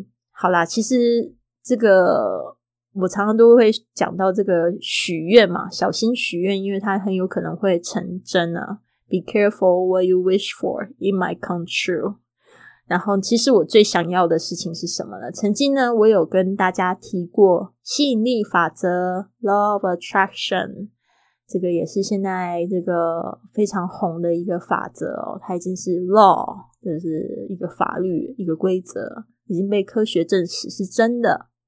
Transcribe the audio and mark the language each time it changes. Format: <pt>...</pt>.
<zh>好啦，其实这个我常常都会讲到这个许愿嘛，小心许愿，因为它很有可能会成真啊。</zh> <en>Be careful what you wish for, it might come true.</en> <zh>然后其实我最想要的事情是什么呢？曾经呢，我有跟大家提过吸引力法则 Law of Attraction， 这个也是现在这个非常红的一个法则哦，它已经是 law， 就是一个法律，一个规则，已经被科学证实是真的。</zh>